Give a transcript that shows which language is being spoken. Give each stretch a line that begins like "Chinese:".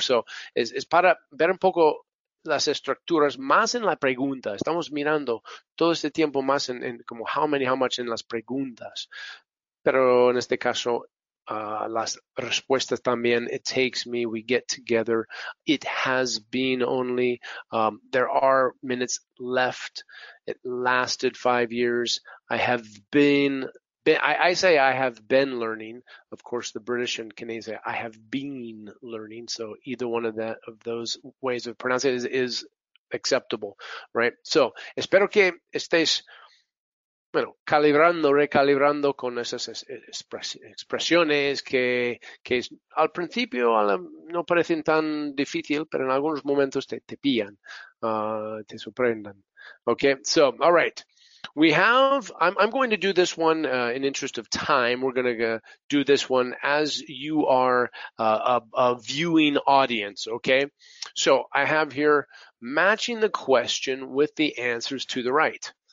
Spanish: So es para ver un poco las estructuras más en la pregunta. Estamos mirando todo este tiempo más en como
English: how many, how much
Spanish: en las preguntas. Pero en este caso, las respuestas también,
English: it takes me, we get together, it has been only, there are minutes left, it lasted 5 years, I have been, I say I have been learning, of course the British and Canadian say I have been learning, so either one of those ways of pronouncing it is acceptable, right?
Spanish: So, espero que estés... Bueno, calibrando, recalibrando con esas expresiones que al principio no parecen tan difícil, pero en algunos momentos te pillan, te sorprenden.
English: Okay, so, all right. We have, I'm going to do this one in interest of time. We're going to do this one as you are a viewing audience, okay? So, I have here matching the question with the answers to the right.